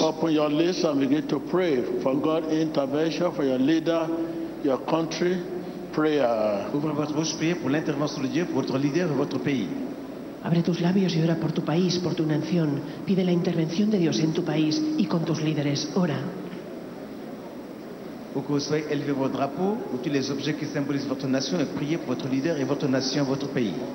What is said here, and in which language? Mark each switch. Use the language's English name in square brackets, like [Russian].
[English] Open your lips and begin to pray for God intervention for your leader, your country. Prayer. [French] Ouvre votre bouche, priez pour l'intervention de Dieu pour votre leader et votre pays. [Spanish] Abre tus labios y ora por tu país, por tu nación. Pide la intervención de Dios en tu país y con tus líderes. Ora. [French] Pour que vous soyez élevé votre drapeau, ou tous les objets qui symbolisent votre nation, et priez pour votre leader et votre nation, votre pays.